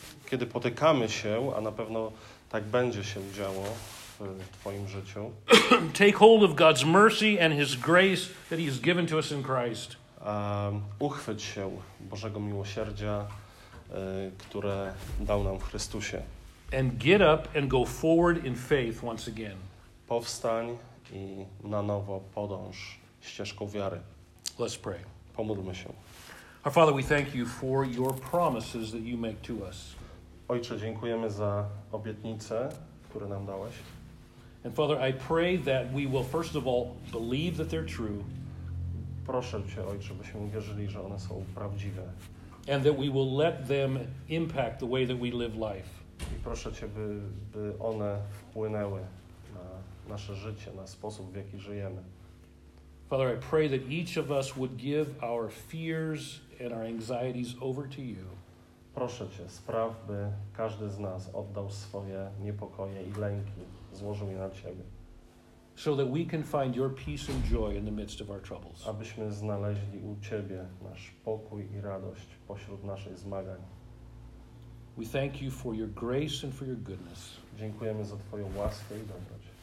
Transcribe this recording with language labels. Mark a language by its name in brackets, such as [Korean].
[Polish] kiedy potykamy się, a na pewno tak będzie się działo w twoim życiu. [English] Take hold of God's mercy and His grace that He has given to us in Christ. [Polish] Uchwyć się Bożego miłosierdzia, które dał nam w Chrystusie. [English] And get up and go forward in faith once again. [Polish] Powstań i na nowo podąż ścieżką wiary. [English] Let's pray. [Polish] Pomódlmy się. [English] Our Father, we thank you for your promises that you make to us. [Polish] Ojcze, dziękujemy za obietnice, które nam dałeś. [English] And Father, I pray that we will first of all believe that they're true. [Polish] Proszę Cię, Ojcze, byśmy uwierzyli, że one są prawdziwe. [English] And that we will let them impact the way that we live life. [Polish] I proszę Cię, by one wpłynęły na nasze życie, na sposób, w jaki żyjemy. [English] Father, I pray that each of us would give our fears and our anxieties over to you. [Polish] Proszę Cię, spraw, by każdy z nas oddał swoje niepokoje i lęki, złożył je na Ciebie. [English] So that we can find your peace and joy in the midst of our troubles. [Polish] Abyśmy znaleźli u Ciebie nasz pokój i radość pośród naszych zmagań. [English] We thank you for your grace and for your goodness. [Polish] Dziękujemy za Twoją łaskę i dobroć.